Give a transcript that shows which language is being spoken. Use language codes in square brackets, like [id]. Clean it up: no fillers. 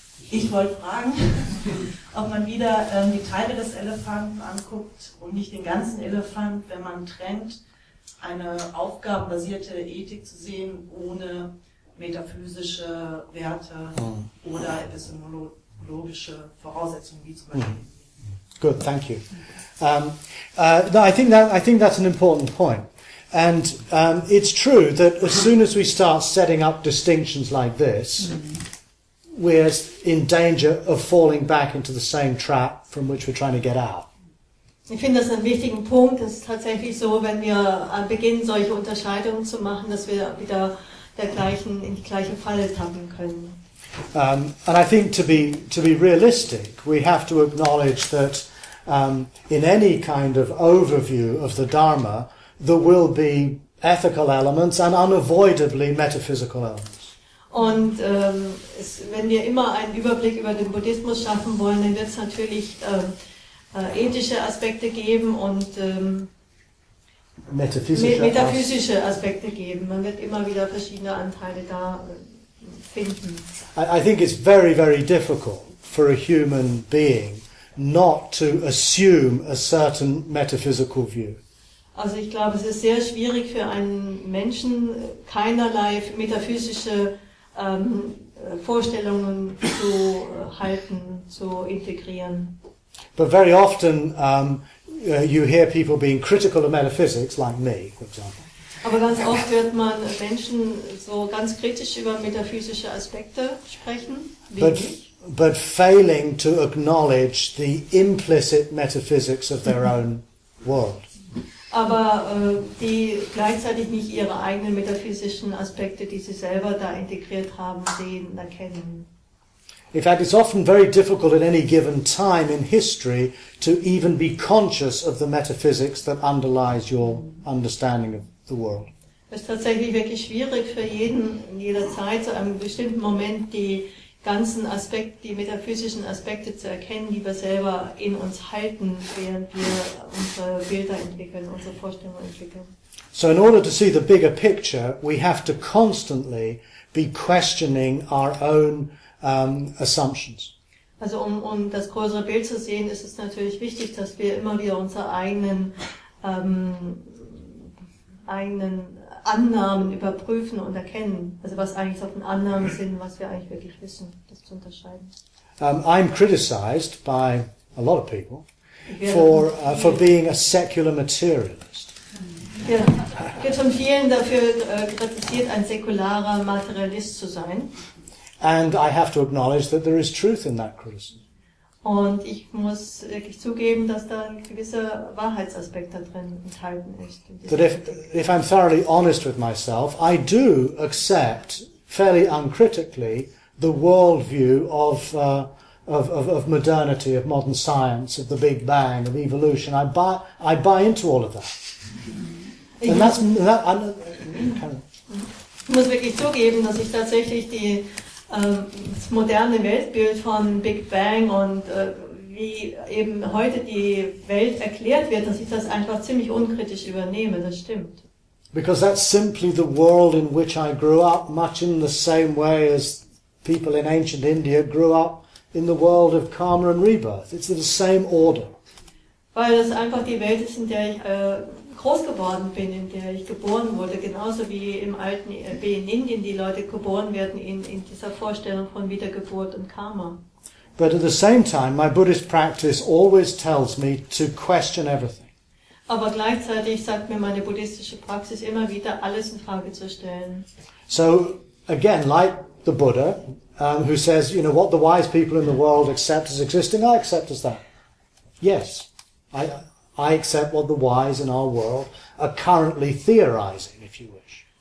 [de] Ich wollte fragen, ob man wieder die Teile des Elefanten anguckt und nicht den ganzen Elefant, wenn man trennt, eine aufgabenbasierte Ethik zu sehen, ohne metaphysische Werte oder epistemologische Voraussetzungen, wie zum Beispiel. [en] Good, thank you. I think that's an important point. And it's true that as soon as we start setting up distinctions like this, we're in danger of falling back into the same trap from which we're trying to get out. [de] Ich finde das einen wichtigen Punkt. Es ist tatsächlich so, wenn wir beginnen, solche Unterscheidungen zu machen, dass wir wieder in die gleiche Falle tappen können. [en] And I think to be realistic, we have to acknowledge that in any kind of overview of the Dharma, there will be ethical elements and unavoidably metaphysical elements. [de] Und wenn wir immer einen Überblick über den Buddhismus schaffen wollen, dann wird es natürlich ethische Aspekte geben und metaphysische Aspekte geben. Man wird immer wieder verschiedene Anteile da finden. [en] I think it's very, very difficult for a human being not to assume a certain metaphysical view. [de] Also ich glaube, es ist sehr schwierig für einen Menschen, keinerlei metaphysische Vorstellungen zu halten, zu integrieren. [en] But very often you hear people being critical of metaphysics, like me, for example. [de] Aber ganz oft hört man Menschen so ganz kritisch über metaphysische Aspekte sprechen, wie [en] but, [de] ich. [en] But failing to acknowledge the implicit metaphysics of their own world. [de] Aber die gleichzeitig nicht ihre eigenen metaphysischen Aspekte, die sie selber da integriert haben, sehen, erkennen. [en] In fact, it's often very difficult at any given time in history to even be conscious of the metaphysics that underlies your understanding of the world. [de] Es ist tatsächlich wirklich schwierig für jeden in jeder Zeit zu einem bestimmten Moment die ganzen Aspekte, die metaphysischen Aspekte zu erkennen, die wir selber in uns halten, während wir unsere Bilder entwickeln, unsere Vorstellungen entwickeln. [en] So in order to see the bigger picture, we have to constantly be questioning our own assumptions. [de] Also um das größere Bild zu sehen, ist es natürlich wichtig, dass wir immer wieder unsere eigenen Annahmen überprüfen und erkennen, also was eigentlich auf den Annahmen sind, was wir eigentlich wirklich wissen, das zu unterscheiden. [en] I'm criticized by a lot of people for being a secular materialist. [de] Ja, wird von vielen dafür kritisiert, ein säkularer Materialist zu sein. [en] And I have to acknowledge that there is truth in that criticism. [de] Und ich muss wirklich zugeben, dass da ein gewisser Wahrheitsaspekt da drin enthalten ist. [en] That if I'm thoroughly honest with myself, I do accept fairly uncritically the worldview of modernity, of modern science, of the Big Bang, of evolution. I buy into all of that. And that's that. [de] Ich muss wirklich zugeben, dass ich tatsächlich die das moderne Weltbild von Big Bang und wie eben heute die Welt erklärt wird, dass ich das einfach ziemlich unkritisch übernehme. Das stimmt. [en] Because that's simply the world in which I grew up, much in the same way as people in ancient India grew up in the world of karma and rebirth. It's in the same order. [de] Weil das einfach die Welt ist, in der ich groß geworden bin, in der ich geboren wurde, genauso wie im alten in Indien die Leute geboren werden in dieser Vorstellung von Wiedergeburt und Karma. [en] But at the same time, my Buddhist practice always tells me to question everything. [de] Aber gleichzeitig sagt mir meine buddhistische Praxis immer wieder, alles in Frage zu stellen. [en] So again, like the Buddha, who says, you know, what the wise people in the world accept as existing, I accept as that. Yes, I accept what the wise in our world are currently theorizing, if you wish.